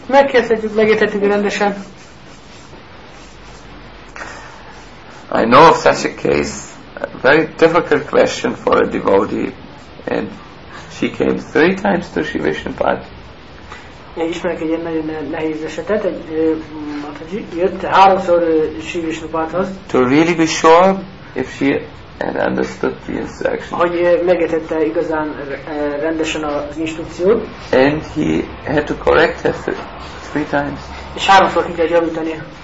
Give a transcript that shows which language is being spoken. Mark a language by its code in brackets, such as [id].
[hu] Megkérdezhetjük, megértettük rendesen. [en] I know of such a case, a very difficult question for a devotee, and she came 3 times to Sri Vishnupada. [hu] Ismerek egy nagyon nehéz esetet, egy Mataji jött 3-szor Sri Vishnupadhoz. [en] To really be sure if she had understood the instruction. [hu] Hogy megértette igazán rendesen az instrukciót. [en] And he had to correct her 3 times. [hu] És 3-szor ki kell javítani.